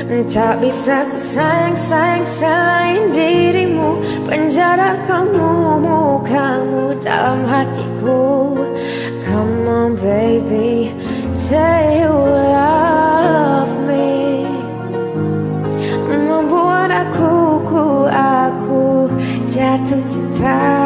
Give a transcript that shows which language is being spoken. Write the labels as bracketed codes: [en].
[id] Tak bisa sayang selain dirimu. Penjara kamu dalam hatiku. [en] Come on baby, say you love me. [id] Membuat aku jatuh cinta.